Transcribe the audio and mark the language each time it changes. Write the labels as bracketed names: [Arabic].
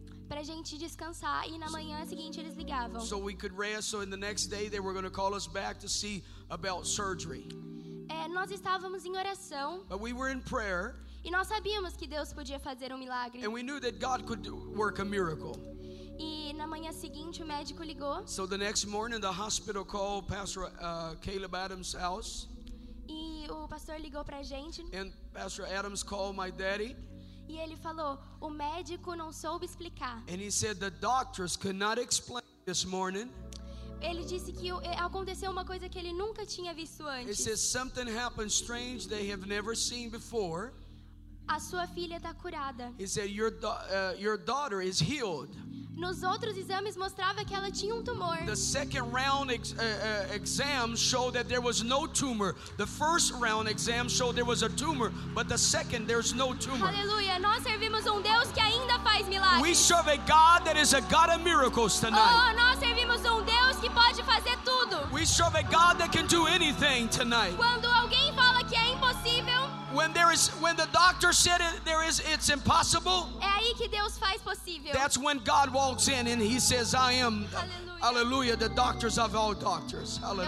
[Portuguese] Pra gente descansar e na manhã seguinte eles ligavam. [English] So we could rest, so in the next day they were going to call us back to see about surgery. [Portuguese] É, nós estávamos em oração. [English] But we were in prayer. [Portuguese] E nós sabíamos que Deus podia fazer um milagre. [English] And we knew that God could work a miracle. [Portuguese] E na manhã seguinte o médico ligou. [English] So the next morning the hospital called Pastor Caleb Adams' house. [Portuguese] E o pastor ligou pra gente. [English] And Pastor Adams called my daddy. [Portuguese] E ele falou, o médico não soube explicar. [English] And he said the doctors could not explain this morning. [Portuguese] Ele disse que aconteceu uma coisa que ele nunca tinha visto antes. [English] He said something happened strange they have never seen before. [Portuguese] A sua filha tá curada. [English] He said your daughter is healed. [Portuguese] Nos outros exames mostrava que ela tinha um tumor. [English] The second round exam showed that there was no tumor. The first round exam showed there was a tumor, but the second there's no tumor. [Portuguese] Aleluia, nós servimos um Deus que ainda faz milagres. [English] We serve a God that is a God of miracles tonight. [Portuguese] Oh, nós servimos um Deus que pode fazer tudo. [English] We serve a God that can do anything tonight. [Portuguese] Quando alguém fala que é impossível, [English] When the doctor said it's impossible, [Portuguese] é aí que Deus faz possível. [English] That's when God walks in and he says, I am, hallelujah, the doctors of all doctors, hallelujah.